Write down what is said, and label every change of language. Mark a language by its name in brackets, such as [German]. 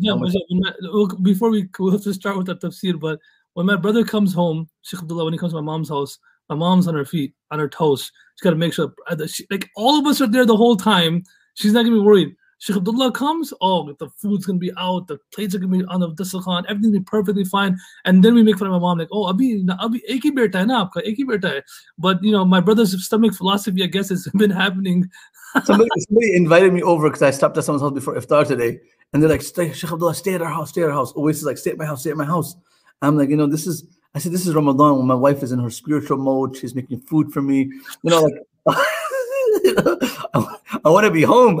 [English] we'll just start with that tafsir. But when my brother comes home, Sheikh Abdullah, when he comes to my mom's house, my mom's on her feet, on her toes. She's got to make sure, all of us are there the whole time. She's not going to be worried. Sheikh Abdullah comes, the food's going to be out. The plates are going to be on the dasturkhan. Everything's going to be perfectly fine. And then we make fun of my mom, like, oh, [Hindi] अभी एक ही बेटा है ना आपका, एक ही बेटा है. [English] But, you know, my brother's stomach philosophy, I guess, has been happening. somebody invited me over because I stopped at someone's house before iftar today. And they're like, Sheikh Abdullah, stay at our house. Always is like, stay at my house. I'm like, you know, this is Ramadan when my wife is in her spiritual mode. She's making food for me. You know, like, I want to be home.